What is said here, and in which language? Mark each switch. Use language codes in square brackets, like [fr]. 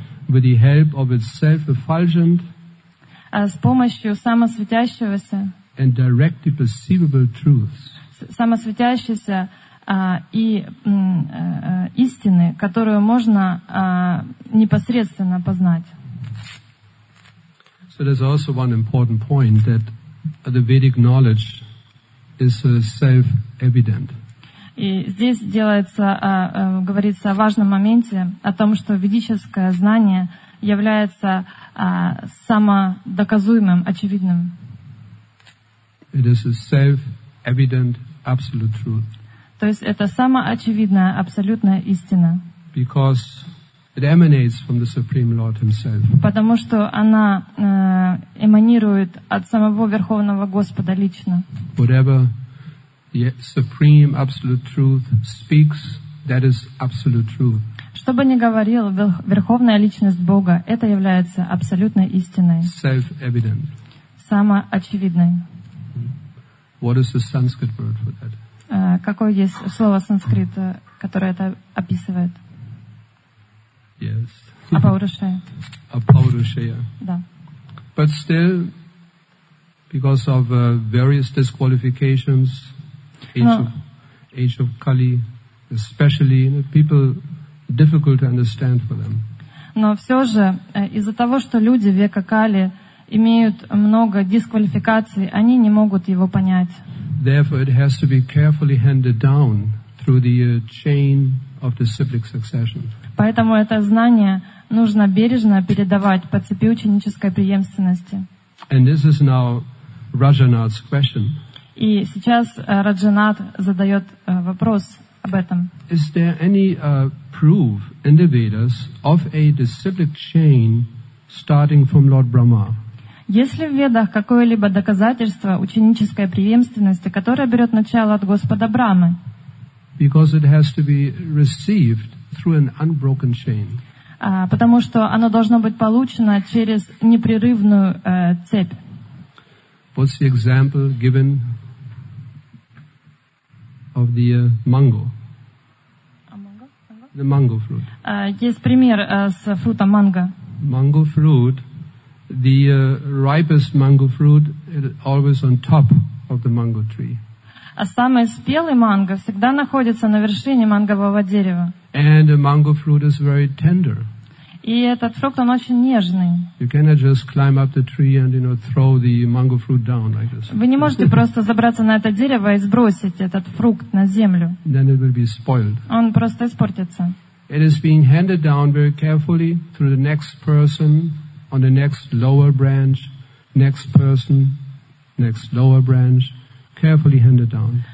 [en] With the help of its self-effulgent. [ru] С помощью самосветящегося. [en] And directly perceivable truths. [ru] Самосветящегося. И истины, которую можно непосредственно познать. [en] So there's also one important point that the Vedic knowledge is self-evident. [ru] И здесь делается, говорится о важном моменте, о том, что ведическое знание является самодоказуемым, очевидным. [en] It is a self-evident absolute truth. [ru] То есть это самоочевидная, абсолютная истина. [en] Because it emanates from the Supreme Lord himself. [ru] Потому что она эманирует от самого Верховного Господа лично. [en] Whatever the Supreme Absolute Truth speaks, that is absolute truth. [ru] Что бы ни говорил Верховная Личность Бога, это является абсолютной истиной. [en] Self-evident. [ru] Самоочевидной. [en] What is the Sanskrit word for that? [ru] Какое есть слово санскрит, которое это описывает? [en] Yes. [sa] Апаурушея. Апаурушея. [ru] Да. [en] But still, because of various disqualifications, age of Kali, especially, you know, people difficult to understand for them. [ru] Но все же из-за того, что люди века Кали имеют много дисквалификаций, они не могут его понять. [en] Therefore, it has to be carefully handed down through the chain of disciplic succession. [ru] Поэтому это знание нужно бережно передавать по цепи ученической преемственности. [en] And this is now Rajanath's question. [ru] И сейчас Раджанат задает вопрос об этом. [en] Is there any proof in the Vedas of a disciplic chain starting from Lord Brahma? [ru] Есть ли в Ведах какое-либо доказательство ученической преемственности, которое берет начало от Господа Брамы? [en] Because it has to be received through an unbroken chain. [ru] Потому что оно должно быть получено через непрерывную цепь. [en] What's the example given of the mango? The mango fruit. [ru] Есть пример с фрутом манго. [en] Mango fruit, the ripest mango fruit is always on top of the mango tree. [ru] А самый спелый манго всегда находится на вершине мангового дерева. [en] And the mango fruit is very tender. [ru] И этот фрукт, он очень нежный. [en] You cannot just climb up the tree and, you know, throw the mango fruit down like this. [ru] Вы не можете просто забраться на это дерево и сбросить этот фрукт на землю. [en] Then it will be spoiled. [ru] Он просто испортится. [en] It is being handed down very carefully through the next person on the next lower branch, next person, next lower branch, carefully handed down.